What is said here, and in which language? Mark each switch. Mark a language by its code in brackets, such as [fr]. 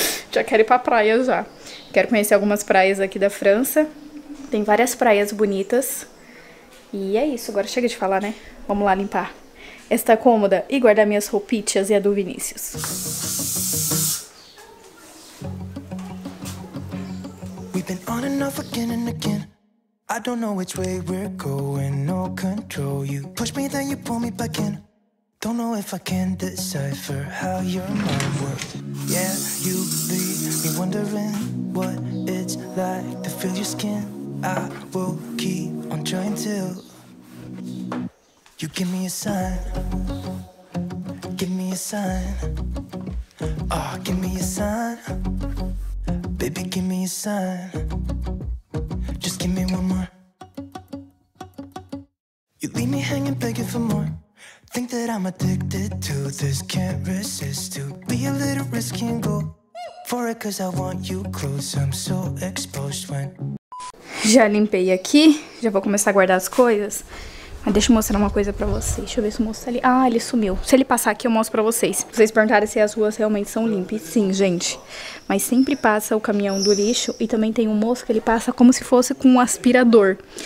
[pt] Já quero ir pra praia já. Quero conhecer algumas praias aqui da França. Tem várias praias bonitas. E é isso. Agora chega de falar, né? Vamos lá limpar esta cômoda e guardar minhas roupinhas e a do Vinícius. [en] We've been on and off again and again. I don't know which way we're going. No control. You push me, then you pull me back in. Don't know if I can decipher how your mind works. Yeah, you leave me wondering what it's like to feel your skin. I will keep on trying to. You give me a sign. Give me a sign. Ah, oh, give me a sign. Baby, give me a sign. Just give me one more. You leave me hanging, begging for more. Think that I'm addicted to this. Can't resist to be a little risky and go for it, 'cause I want you close. I'm so exposed when. [pt] Já limpei aqui. Já vou começar a guardar as coisas. Mas deixa eu mostrar uma coisa pra vocês. Deixa eu ver se o moço tá ali. Ah, ele sumiu. Se ele passar aqui, eu mostro pra vocês. Vocês perguntaram se as ruas realmente são limpas. Sim, gente. Mas sempre passa o caminhão do lixo. E também tem um moço que ele passa como se fosse com um aspirador.